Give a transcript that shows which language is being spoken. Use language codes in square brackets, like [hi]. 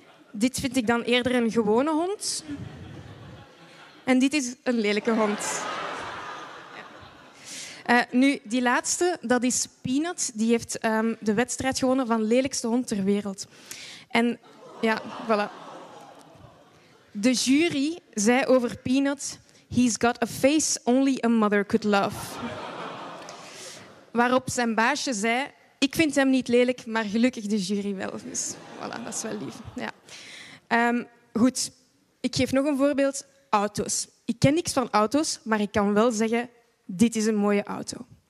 [nl] Dit vind ik dan eerder een gewone hond. En dit is een lelijke hond. Nu, die laatste, dat is Peanut. Die heeft de wedstrijd gewonnen van lelijkste hond ter wereld. En ja, voilà. De jury zei over Peanut, [en] he's got a face only a mother could love. [nl] Waarop zijn baasje zei, ik vind hem niet lelijk, maar gelukkig de jury wel. Dus voilà, dat is wel lief. Ja. Goed, ik geef nog een voorbeeld, auto's. Ik ken niks van auto's, maar ik kan wel zeggen, dit is een mooie auto.